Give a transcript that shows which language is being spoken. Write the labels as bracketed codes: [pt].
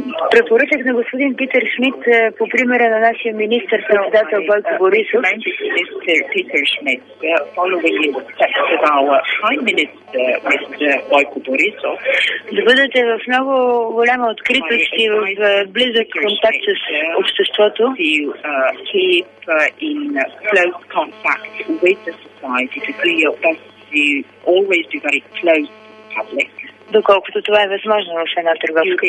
[bg] Препоръчах на господин Питър Шмидт по примера на нашия министър председател Бойко Борисов. [en] Питър Шмидт, following in the steps of our prime minister, Mr. [bg] Бойко Борисов, да бъдете в много голяма откритост и в близък контакт с обществото. [en] Keep in close contact with the society, to do your best, you always be very close to the public. [bg] Доколкото това е възможно в една търговска